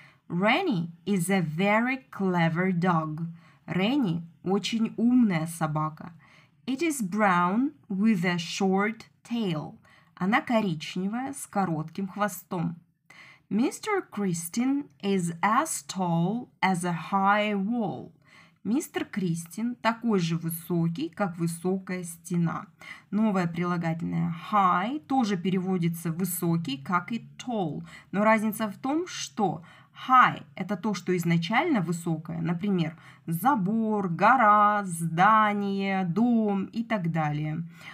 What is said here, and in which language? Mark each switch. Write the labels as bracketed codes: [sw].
[en] Rennie is a very clever dog. [ru] Ренни – очень умная собака. [en] It is brown with a short tail. [ru] Она коричневая с коротким хвостом. [en] Mr. Christian is as tall as a high wall. [ru] Мистер Кристин такой же высокий, как высокая стена. Новое прилагательное high тоже переводится высокий, как и tall. Но разница в том, что high – это то, что изначально высокое. Например, забор, гора, здание, дом и так далее.